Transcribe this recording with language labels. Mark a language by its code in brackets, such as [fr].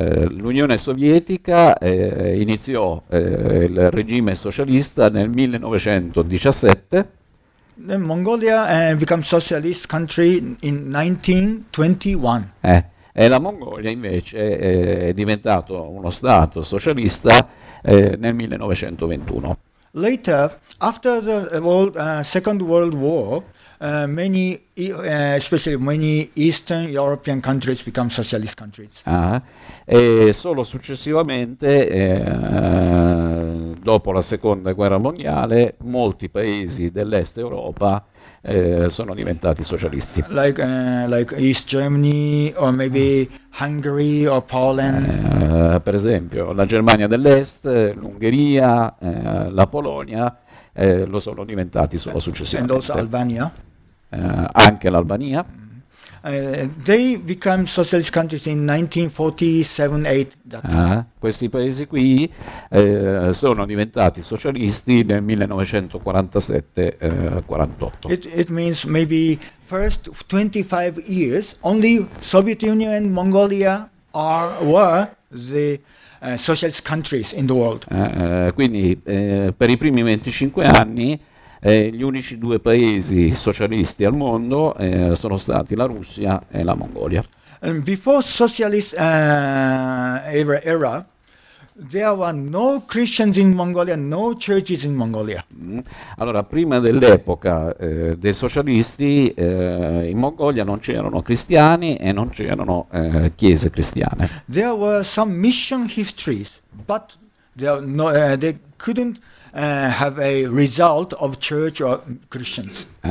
[it] L'Unione Sovietica iniziò il regime socialista nel 1917. [en] Mongolia become socialist country in 1921. [it] E la Mongolia invece è diventato uno stato socialista nel 1921. [en] Later, after the world, Second World War, many, especially many Eastern European countries become socialist countries. [it] E solo successivamente, dopo la Seconda Guerra Mondiale, molti paesi dell'Est Europa sono diventati socialisti. [en] Like East Germany or maybe Hungary or Poland. [it] Per esempio, la Germania dell'Est, l'Ungheria, la Polonia lo sono diventati solo successivamente. [en] And also Albania. [it] Anche l'Albania. [en] They became socialist countries in 1947-8. [it] Questi paesi qui sono diventati socialisti nel 1947-48. [en] It means maybe first 25 years only Soviet Union and Mongolia were the socialist countries in the world. [it] Quindi per i primi 25 anni gli unici due paesi socialisti al mondo sono stati la Russia e la Mongolia. [en] Before socialist era, there were no Christians in Mongolia, no churches in Mongolia. [it] Allora, prima dell'epoca dei socialisti, in Mongolia non c'erano cristiani e non c'erano chiese cristiane. [en] There were some mission histories, but they couldn't have a result of church or Christians.